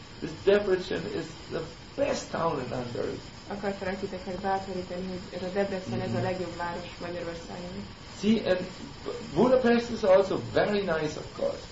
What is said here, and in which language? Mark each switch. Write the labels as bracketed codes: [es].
[en] This Debrecen is the best town in Hungary. [hu] Akartalak titeket bátorítani, hogy ez a Debrecen ez a legjobb város Magyarországon. [en] See, and Budapest is also very nice, of course.